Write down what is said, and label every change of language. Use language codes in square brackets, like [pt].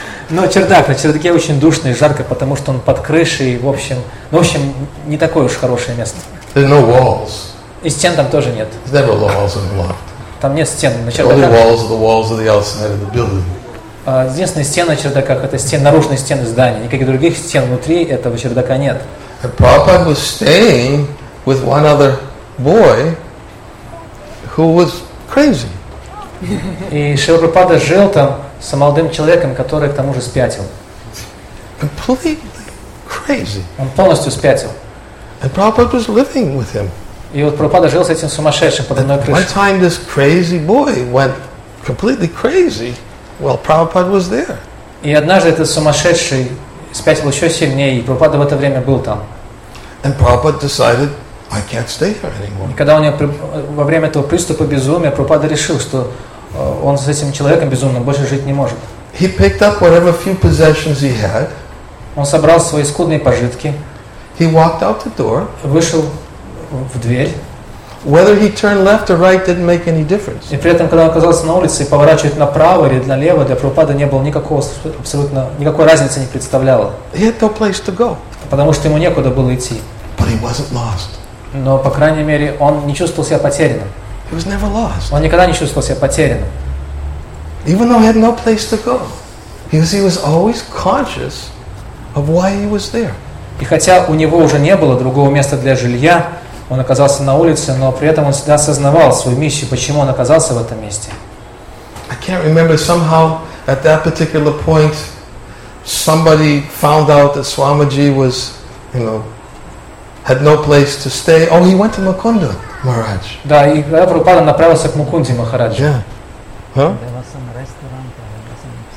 [ru] Но чердак, на чердаке очень душно и жарко, потому что он под крышей, в общем, не такое уж хорошее место. [en] There's no walls. [ru] И стен там тоже нет. [en] There's never walls in the loft. [ru] Там нет стен на чердаках. [en] The only walls are the walls of the outside of the building. [ru] Единственная стена на чердаках – это наружная стена здания. Никаких других стен внутри этого чердака нет. [en] And Prabhupada was staying with one other boy who was crazy. [ru] И Шрила Прабхупада жил там с молодым человеком, который к тому же спятил. [en] Completely crazy. [ru] Он полностью спятил. [en] And Prabhupada was living with him. [ru] И вот Прабхупада жил с этим сумасшедшим под одной крышей. [en] One time this crazy boy went completely crazy. Well, Prabhupada was there. [ru] И однажды этот сумасшедший спятил еще сильнее, и Прабхупада в это время был там. [en] And Prabhupada decided, I can't stay here anymore. [ru] И когда у него во время этого приступа безумия, Прабхупада решил, что он с этим человеком безумным больше жить не может. [en] He picked up whatever few possessions he had. [ru] Он собрал свои скудные пожитки. [en] He walked out the door. [ru] Вышел в дверь. [en] Whether he turned left or right didn't make any difference. [ru] И при этом, когда он оказался на улице и поворачивает направо или налево, для Прабхупады не было никакого абсолютно никакой разницы не представляло. [en] He had no place to go. [ru] Потому что ему некуда было идти. [en] But he wasn't lost. [ru] Но по крайней мере он не чувствовал себя потерянным. [en] He was never lost. [ru] Он никогда не чувствовал себя потерянным. [en] Even though he had no place to go, he was always conscious of why he was there. [ru] И хотя у него уже не было другого места для жилья. Он оказался на улице, но при этом он всегда осознавал свою миссию, почему он оказался в этом месте. [en] I can't remember, somehow at that particular point somebody found out that Swamiji was, you know, had no place to stay. Oh, he went to Mukunda Maharaj. [ru] Да, и когда Прабхупада направился к Мукунде Махараджу. Yeah. Huh? [en] There was some restaurant, there was some